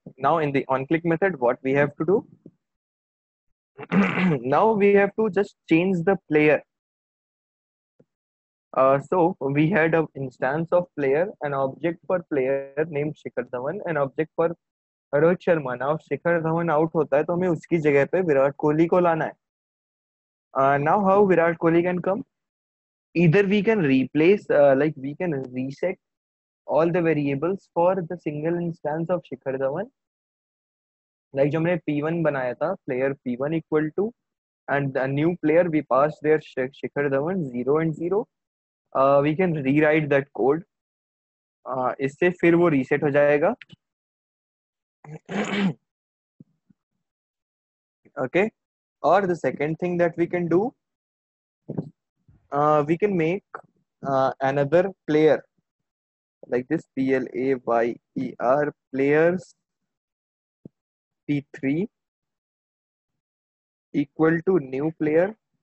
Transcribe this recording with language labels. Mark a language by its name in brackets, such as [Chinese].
[English] Now in the on click method, what we have to do? Now we have to just change the player. We had an instance of player, an object for player named Shikhar Dhawan, an object for Rohit Sharma. [Hindi] Now Shikhar Dhawan out होता है तो हमें उसकी जगह पे विराट कोहली को लाना है. [English] Now how Virat Kohli can come, इधर we can replace like we can reset all the variables for the single instance of Shikhar Dhawan. Like [Hindi] जो हमने P1 बनाया था, [English] Player P1 equal to and the new player we pass there Shikhar Dhawan 0 and 0. We can rewrite that code, [Hindi] इससे फिर वो reset हो जाएगा. [English] Okay, or the second thing that we can do, we can make another player like this player players p3 equal to new player